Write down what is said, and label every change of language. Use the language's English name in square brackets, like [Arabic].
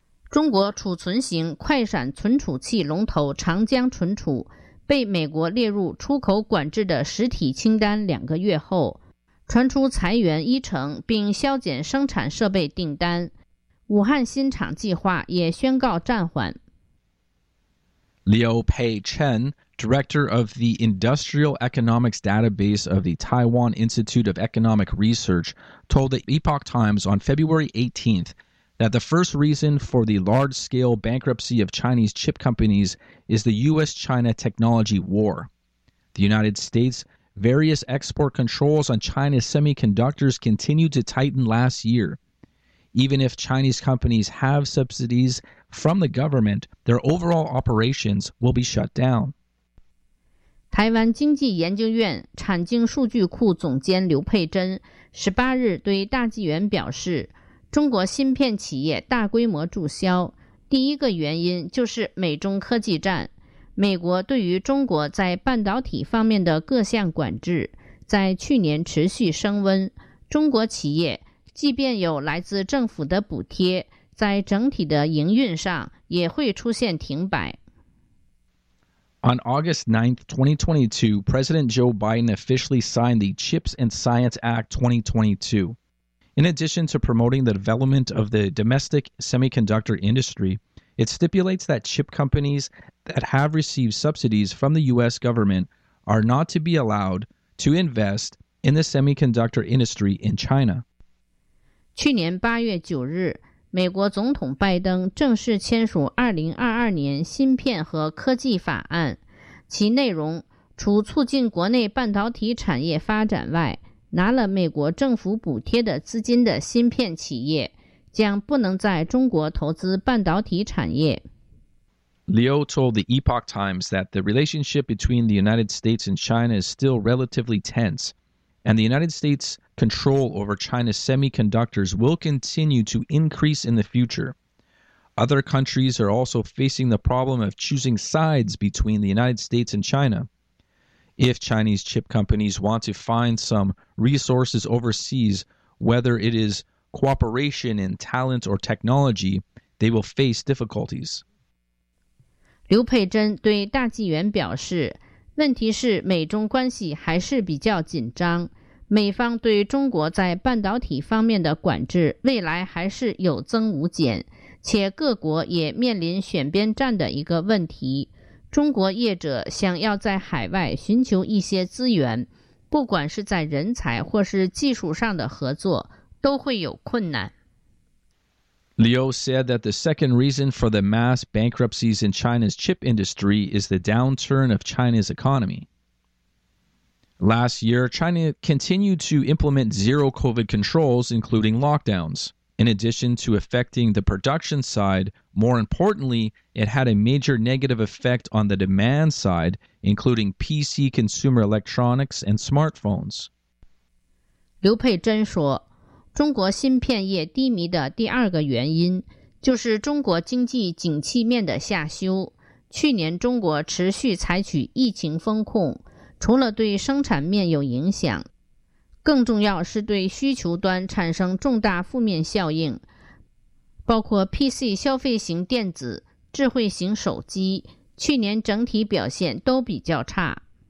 [Chinese] 中国储存型快闪存储器龙头长江存储被美国列入出口管制的实体清单两个月后，传出裁员一成并削减生产设备订单，武汉新厂计划也宣告暂缓。 [English] Liu Peichen, Director of the Industrial Economics Database of the Taiwan Institute of Economic Research, told the Epoch Times on February 18th that the first reason for the large-scale bankruptcy of Chinese chip companies is the U.S.-China technology war. The United States' various export controls on China's semiconductors continued to tighten last year. Even if Chinese companies have subsidies from the government, their overall operations will be shut down. [Chinese] 台湾经济研究院产经数据库总监刘佩珍18日对大纪元表示，中国芯片企业大规模注销，第一个原因就是美中科技战。美国对于中国在半导体方面的各项管制在去年持续升温，中国企业即便有来自政府的补贴，在整体的营运上也会出现停摆。 [English] On August 9, 2022, President Joe Biden officially signed the Chips and Science Act 2022. In addition to promoting the development of the domestic semiconductor industry, it stipulates that chip companies that have received subsidies from the U.S. government are not to be allowed to invest in the semiconductor industry in China. [Chinese] 去年8月9日，美国总统拜登正式签署2022年芯片和科技法案，其内容除促进国内半导体产业发展外，拿了美国政府补贴的资金的芯片企业将不能在中国投资半导体产业。 [English] Liu told the Epoch Times that the relationship between the United States and China is still relatively tense, and the United States' control over China's semiconductors will continue to increase in the future. Other countries are also facing the problem of choosing sides between the United States and China. If Chinese chip companies want to find some resources overseas, whether it is cooperation in talent or technology, they will face difficulties. [Chinese] 刘佩珍对大纪元表示，问题是美中关系还是比较紧张，美方对中国在半导体方面的管制未来还是有增无减，且各国也面临选边站的一个问题。中国业者想要在海外寻求一些资源，不管是在人才或是技术上的合作，都会有困难。 [English] Liu said that the second reason for the mass bankruptcies in China's chip industry is the downturn of China's economy. Last year, China continued to implement zero COVID controls, including lockdowns. In addition to affecting the production side, more importantly, it had a major negative effect on the demand side, including PC consumer electronics and smartphones. [Chinese] 刘佩珍说，中国芯片业低迷的第二个原因就是中国经济景气面的下修。去年中国持续采取疫情封控，除了对生产面有影响，更重要是对需求端产生重大负面效应，包括 PC 消费型电子、智慧型手机，去年整体表现都比较差。